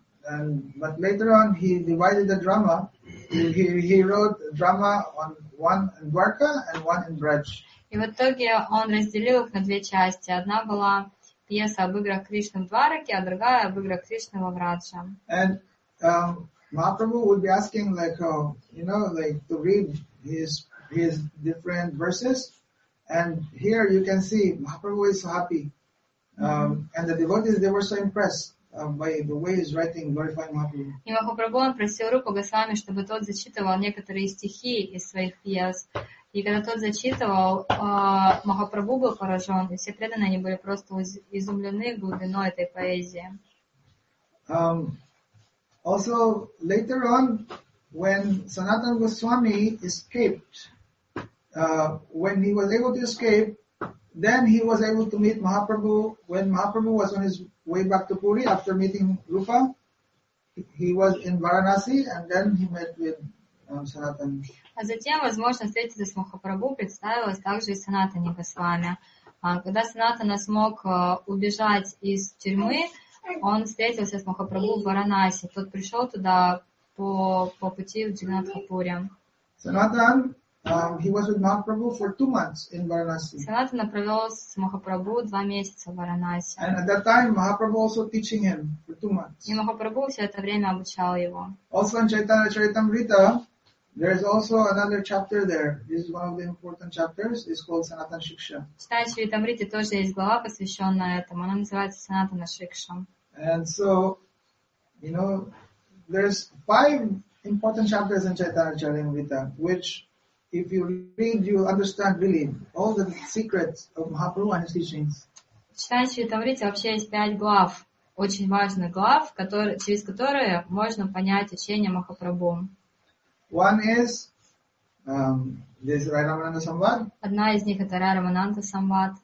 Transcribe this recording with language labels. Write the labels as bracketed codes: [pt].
[en] And, but later on he divided the drama. He wrote a drama on one in Dwarka and one in Braj. [ru] И в итоге он разделил их на две части. Одна была пьеса об играх Кришны в Двараке, а другая об играх Кришны во Врадже. [en] And Mahaprabhu would be asking, like, you know, like to read his different verses. And here you can see Mahaprabhu is so happy. And the devotees, they were so impressed by the way he's writing glorifying Mahaprabhu. [ru] И Махапрабху просил Рупу Госвами, чтобы тот зачитывал некоторые стихи из своих пьес. И когда тот зачитывал, Махапрабху был поражен, и все преданные они были просто изумлены глубиной этой поэзии. [en] Also, later on, when Sanatana Goswami escaped, when he was able to escape, then he was able to meet Mahaprabhu. When Mahaprabhu was on his way back to Puri after meeting Rupa, he was in Varanasi, and then he met with [ru] А затем, возможно, встретиться с Махапрабху представилась также и Санатани Госвами. Когда Санатана смог убежать из тюрьмы, он встретился с Махапрабху в Варанаси. Тот пришел туда по пути в Джагнатхапури. Санатана провел с Махапрабху 2 месяца в Варанаси. [en] And at that time, Mahaprabhu also teaching him for 2 months. [ru] И Махапрабху все это время обучал его. [en] Also in Chaitanya Charitamrita, there is also another chapter there. This is one of the important chapters. It's called Sanatana Shiksha. [ru] Читая Чаритамриту, тоже есть глава, посвященная этому. Она называется Санатана Шикша. [en] And so, you know, there's 5 important chapters in Chaitanya Charitamrita, which if you read, you understand really all the secrets of Mahaprabhu and his teachings. [ru] Читая Чайтанврите вообще есть 5 глав, очень важных глав, которые, через которые можно понять учение Махапрабху. [en] One is this Raramananda Samvad. [ru] Одна из них это Раймананда Самвад.